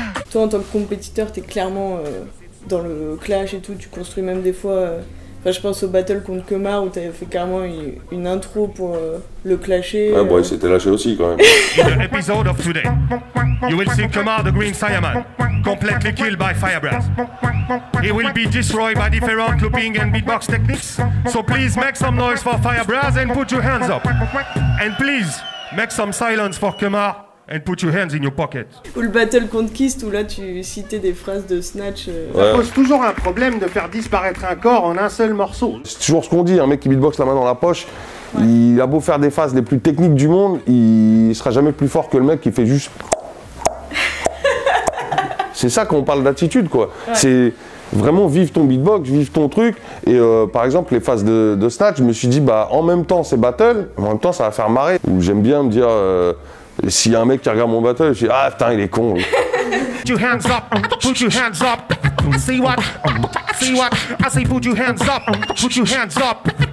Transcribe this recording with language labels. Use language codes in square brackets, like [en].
[fr] Toi, en tant que compétiteur, t'es clairement dans le clash et tout, tu construis même des fois Enfin, je pense au battle contre Kemar où t'avais fait carrément une intro pour le clasher. Ah, bon, il s'était lâché aussi quand même. L'épisode [en] of today. You will see Kemar the Green Saiyaman, completely killed by Firebrand. He will be destroyed by different looping and beatbox techniques. So please make some noise for Firebrand and put your hands up. And please make some silence for Kemar. And put your hands in your pocket. [fr] Ou le battle contre Kist, où là tu citais des phrases de Snatch. Ouais. Ça pose toujours un problème de faire disparaître un corps en un seul morceau. C'est toujours ce qu'on dit, un mec qui beatbox la main dans la poche, ouais. Il a beau faire des phases les plus techniques du monde, il sera jamais plus fort que le mec qui fait juste... C'est ça qu'on parle d'attitude, quoi. Ouais. C'est vraiment vive ton beatbox, vive ton truc. Et par exemple, les phases de Snatch, je me suis dit, bah en même temps c'est battle, mais en même temps ça va faire marrer. Ou j'aime bien me dire... S'il y a un mec qui regarde mon battle, je dis ah putain il est con. [en] Put your hands up, put your hands up. See what? See what? I say put your hands up, put your hands up.